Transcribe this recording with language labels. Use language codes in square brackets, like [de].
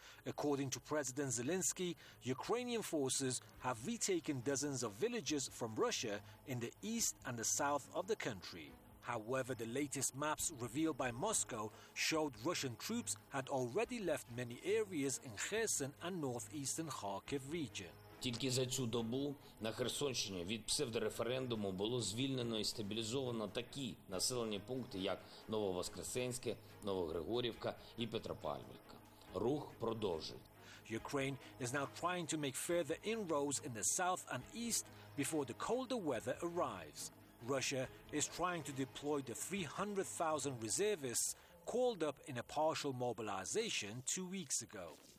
[en] According to President Zelensky, Ukrainian forces have retaken dozens of villages from Russia in the east and the south of the country. However, the latest maps revealed by Moscow showed Russian troops had already left many areas in Kherson and northeastern Kharkiv region. [uk] Тільки за цю добу на Херсонщині від псевдореферендуму було звільнено і стабілізовано такі населені пункти, як Нововоскресенське, Новогригорівка і Петропавлівка. Рух продовжує. [en] Ukraine is now trying to make further inroads in the south and east before the colder weather arrives. Russia is trying to deploy the 300,000 reservists called up in a partial mobilization 2 weeks ago.